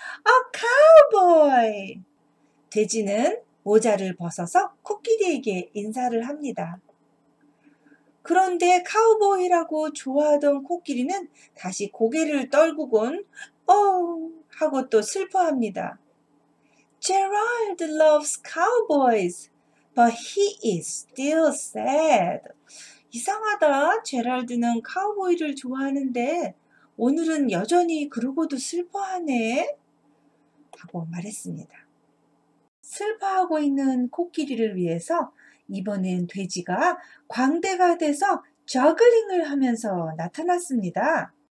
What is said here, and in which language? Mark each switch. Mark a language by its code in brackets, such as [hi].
[en] A cowboy! [ko] 돼지는 모자를 벗어서 코끼리에게 인사를 합니다. 그런데 카우보이라고 좋아하던 코끼리는 다시 고개를 떨구곤 어우 하고 또 슬퍼합니다. [en] Gerald loves cowboys, but he is still sad. [ko] 이상하다. 제랄드는 카우보이를 좋아하는데 오늘은 여전히 그러고도 슬퍼하네. 하고 말했습니다. 슬퍼하고 있는 코끼리를 위해서 이번엔 돼지가 광대가 돼서 저글링을 하면서 나타났습니다.